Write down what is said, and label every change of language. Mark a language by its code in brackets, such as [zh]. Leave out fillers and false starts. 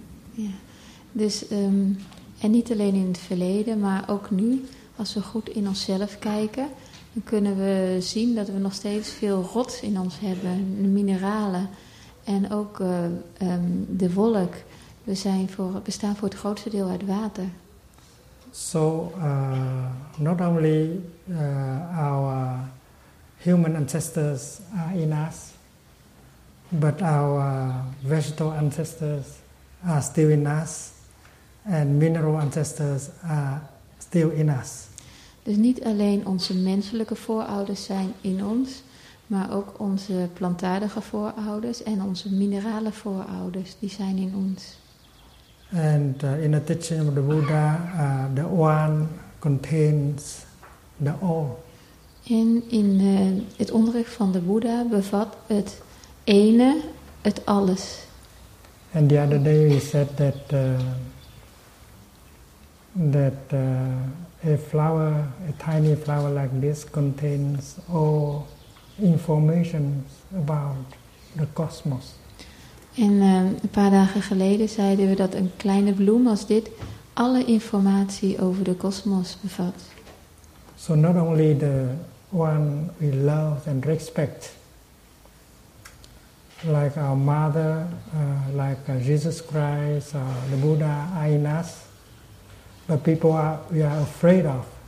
[nl] Ja, dus en niet alleen in het verleden, maar ook nu, als we goed in onszelf kijken, kunnen we zien dat we nog steeds veel rots in ons hebben, de mineralen en ook de wolk. We staan voor het grootste deel uit water. [en] So not only our human ancestors are in us, but our vegetal ancestors are still in us, and mineral ancestors are still in us. [nl] Dus niet alleen onze menselijke voorouders zijn in ons, maar ook onze plantaardige voorouders en onze minerale voorouders, die zijn in ons. [en] And in the teaching of the Buddha, the one contains the all. [nl] En in het onderricht van de Boeddha bevat het ene het alles. [en] And the other day we said that a flower, a tiny flower like this, contains all information about the cosmos. [nl] En een paar dagen geleden zeiden we dat een kleine bloem als dit alle informatie over de kosmos bevat. [en] So not only the one we love and respect, like our mother, like Jesus Christ, the Buddha, are in us, but people we are afraid of.